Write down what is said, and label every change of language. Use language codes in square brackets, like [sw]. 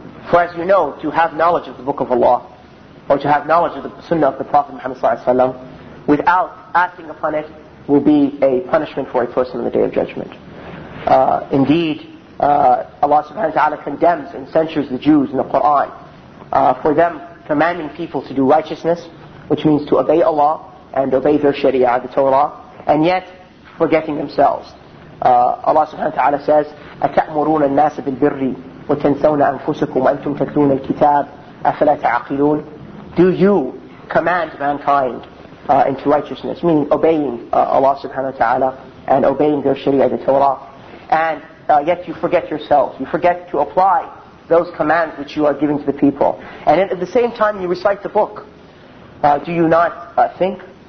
[en] For as you know, to have knowledge of the Book of Allah, or to have knowledge of the Sunnah of the Prophet Muhammad sallallahu alaihi wasallam, without acting upon it, will be a punishment for a person on the Day of Judgment. Indeed, Allah subhanahu wa ta'ala condemns and censures the Jews in the Quran for them commanding people to do righteousness, which means to obey Allah and obey their Sharia, the Torah, and yet forgetting themselves. Allah subhanahu wa ta'ala says, [ar] أَتَأْمُرُونَ النَّاسَ بِالْبِرِّ وَتَنْثَوْنَ أَنفُسَكُمْ أَنْتُمْ تَتْلُونَ الْكِتَابِ أَفَلَا تَعَقِلُونَ. [en] Do you command mankind into righteousness, meaning obeying Allah subhanahu wa ta'ala and obeying their Sharia, the Torah, and yet you forget yourselves, you forget to apply those commands which you are giving to the people, and at the same time you recite the book, do you not think?